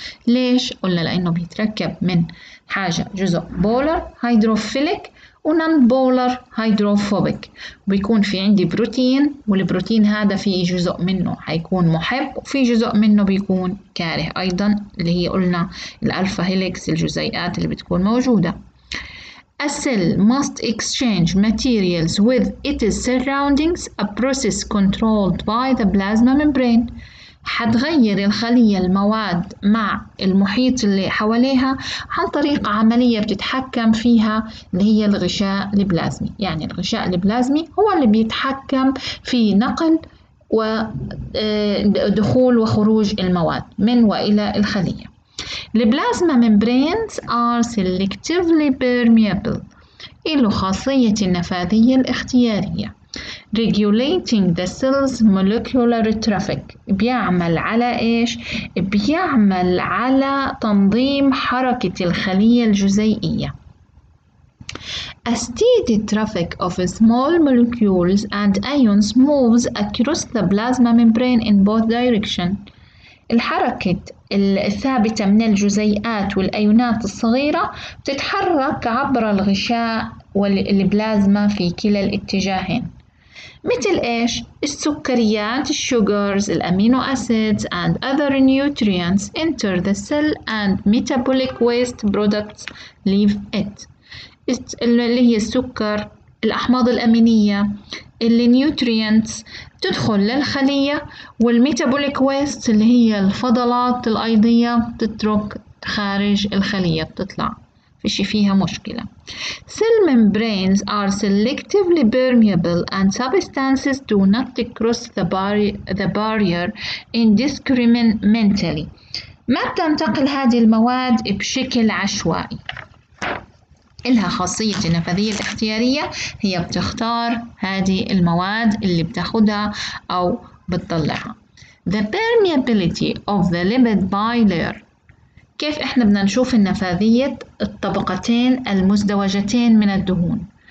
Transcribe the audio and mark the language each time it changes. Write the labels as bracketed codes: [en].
[ar] ليش؟ قلنا لأنه بيتركب من حاجة، جزء بولر هيدروفيليك ونان بولر هيدروفوبيك. بيكون في عندي بروتين، والبروتين هذا في جزء منه هيكون محب وفي جزء منه بيكون كاره أيضا، اللي هي قلنا الألفا هيليكس، الجزيئات اللي بتكون موجودة. [en] A cell must exchange materials with its surroundings, a process controlled by the plasma membrane. [ar] حتغير الخلية المواد مع المحيط اللي حواليها عن طريق عملية بتتحكم فيها، اللي هي الغشاء البلازمي. يعني الغشاء البلازمي هو اللي بيتحكم في نقل ودخول وخروج المواد من وإلى الخلية. [en] البلازما membranes are selectively permeable, [ar] له خاصية النفاذية الاختيارية. [en] regulating the cell's molecular traffic, [ar] بيعمل على ايش؟ بيعمل على تنظيم حركة الخلية الجزيئية. [en] A steady traffic of small molecules and ions moves across the plasma membrane in both directions. [ar] الحركة الثابتة من الجزيئات والأيونات الصغيرة بتتحرك عبر الغشاء والبلازما في كلا الاتجاهين. مثل إيش؟ السكريات، الشوغرز، الأمينو أسيدز [en] and other nutrients enter the cell and metabolic waste products leave it. [ar] اللي هي السكر، الأحماض الأمينية، النيوتريينتس تدخل للخلية، والميتابوليك ويست اللي هي الفضلات الأيضية تترك خارج الخلية، بتطلع فيش فيها مشكله. [en] cell membranes are selectively permeable and substances do not cross the barrier indiscriminately. [ar] ما بتنتقل هذه المواد بشكل عشوائي، إلها خاصية النفاذية الاختيارية، هي بتختار هذه المواد اللي بتاخدها أو بتطلعها. [en] The permeability of the lipid bilayer، [ar] كيف إحنا بدنا نشوف النفاذية الطبقتين المزدوجتين من الدهون.